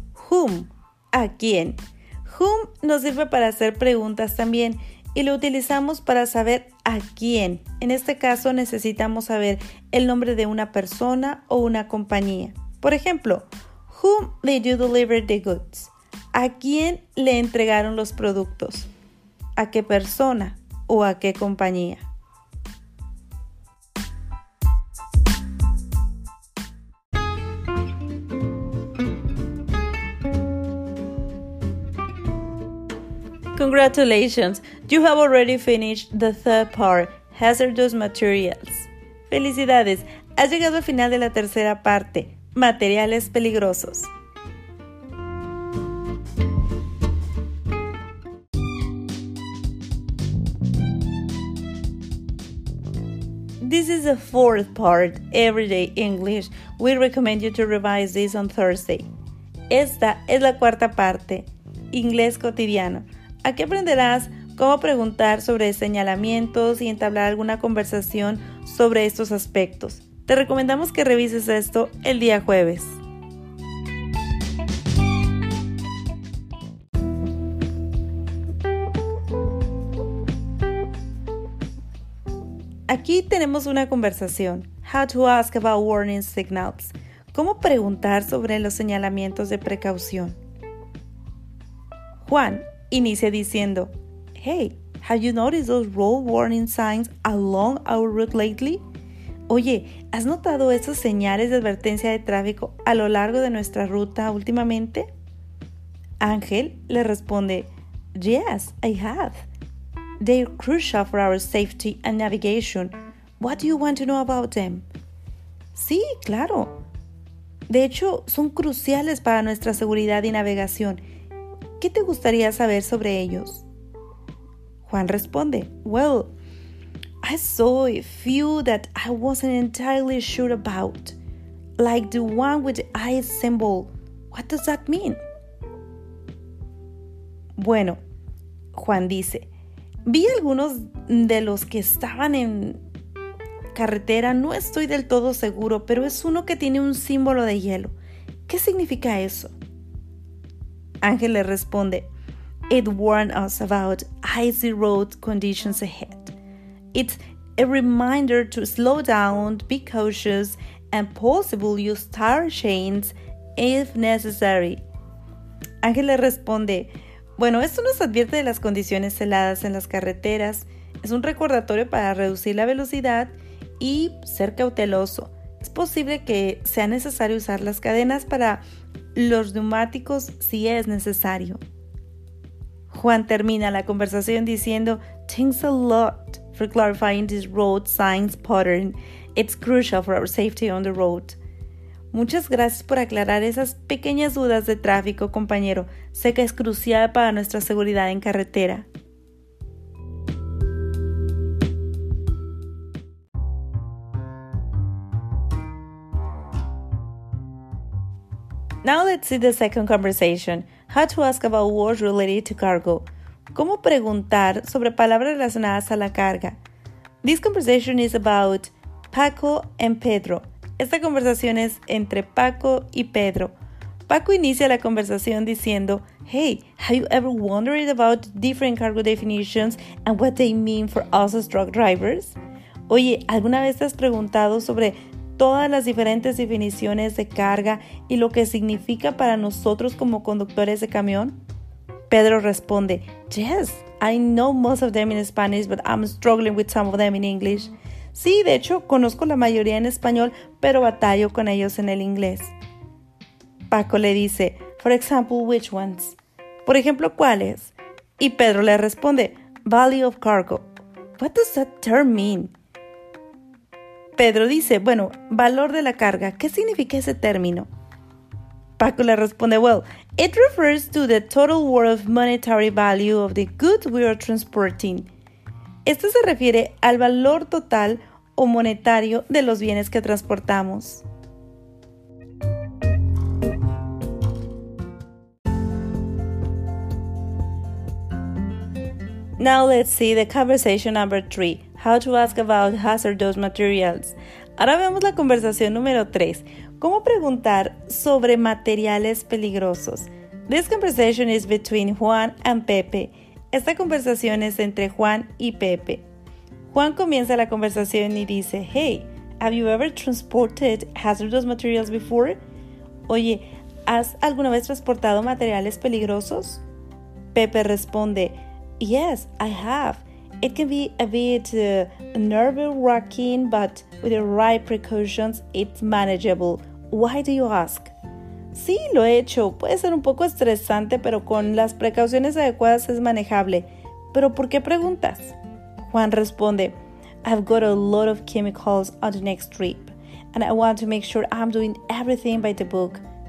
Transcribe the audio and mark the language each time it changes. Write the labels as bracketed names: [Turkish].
[Spanish] Whom, ¿a quién? Whom nos sirve para hacer preguntas también. Y lo utilizamos para saber a quién. En este caso necesitamos saber el nombre de una persona o una compañía. Por ejemplo, [English] whom did you deliver the goods? [Spanish] ¿A quién le entregaron los productos? ¿A qué persona o a qué compañía? [English] Congratulations, you have already finished the third part, Hazardous Materials. [Spanish] Felicidades, has llegado al final de la tercera parte, Materiales Peligrosos. [English] This is the fourth part, Everyday English. We recommend you to revise this on Thursday. [Spanish] Esta es la cuarta parte, Inglés Cotidiano. Aquí aprenderás cómo preguntar sobre señalamientos y entablar alguna conversación sobre estos aspectos. Te recomendamos que revises esto el día jueves. Aquí tenemos una conversación. [English] How to ask about warning signals. [Spanish] ¿Cómo preguntar sobre los señalamientos de precaución? [English] Juan [Spanish] inicia diciendo, [English] hey, have you noticed those road warning signs along our route lately? [Spanish] Oye, ¿has notado esas señales de advertencia de tráfico a lo largo de nuestra ruta últimamente? [English] Ángel [Spanish] le responde, [English] yes, I have. They're crucial for our safety and navigation. What do you want to know about them? [Spanish] Sí, claro. De hecho, son cruciales para nuestra seguridad y navegación. ¿Qué te gustaría saber sobre ellos? [English] Juan [Spanish] responde, [English] well, I saw a few that I wasn't entirely sure about, like the one with the eye symbol. What does that mean? [Spanish] Bueno, Juan dice, Vi algunos de los que estaban en carretera, no estoy del todo seguro, pero es uno que tiene un símbolo de hielo. ¿Qué significa eso? Ángel le responde, [English] "It warns us about icy road conditions ahead. It's a reminder to slow down, be cautious, and possibly use tire chains if necessary." [Spanish] Ángel le responde, "Bueno, esto nos advierte de las condiciones heladas en las carreteras. Es un recordatorio para reducir la velocidad y ser cauteloso. Es posible que sea necesario usar las cadenas para los neumáticos si es necesario." [English] Juan [Spanish] termina la conversación diciendo, [English] "Thanks a lot for clarifying this road signs pattern. It's crucial for our safety on the road." [Spanish] Muchas gracias por aclarar esas pequeñas dudas de tráfico, compañero. Sé que es crucial para nuestra seguridad en carretera. [English] Now let's see the second conversation. How to ask about words related to cargo. [Spanish] ¿Cómo preguntar sobre palabras relacionadas a la carga? [English] This conversation is about Paco and Pedro. [Spanish] Esta conversación es entre Paco y Pedro. [English] Paco [Spanish] inicia la conversación diciendo, [English] "Hey, have you ever wondered about different cargo definitions and what they mean for us as truck drivers?" [Spanish] Oye, ¿alguna vez te has preguntado sobre todas las diferentes definiciones de carga y lo que significa para nosotros como conductores de camión? [English] Pedro [Spanish] responde, [English] "Yes, I know most of them in Spanish, but I'm struggling with some of them in English." [Spanish] Sí, de hecho, conozco la mayoría en español, pero batallo con ellos en el inglés. Paco le dice, [English] "For example, which ones?" [Spanish] Por ejemplo, ¿cuáles? Y Pedro le responde, [English] "Value of cargo." "What does that term mean?" [Spanish] Pedro dice, "Bueno, valor de la carga, ¿qué significa ese término?" [English] Paco [Spanish] le responde, [English] "Well, it refers to the total worth monetary value of the good we are transporting." [Spanish] Esto se refiere al valor total o monetario de los bienes que transportamos. [English] Now let's see the conversation number 3, how to ask about hazardous materials. [Spanish] Ahora vemos la conversación número 3, cómo preguntar sobre materiales peligrosos. [English] This conversation is between Juan and Pepe. [Spanish] Esta conversación es entre Juan y Pepe. [English] Juan [Spanish] comienza la conversación y dice, [English] "Hey, have you ever transported hazardous materials before?" [Spanish] Oye, ¿has alguna vez transportado materiales peligrosos? [English] Pepe [Spanish] responde, [English] "Yes, I have. It can be a bit nerve-wracking, but with the right precautions, it's manageable. Why do you ask?" [Spanish] Sí, lo he hecho. Puede ser un poco estresante, pero con las precauciones adecuadas es manejable. ¿Pero por qué preguntas? [English] Juan [Spanish] responde, [English] "I've got a lot of chemicals on the next trip, and I want to make sure I'm doing everything by the book.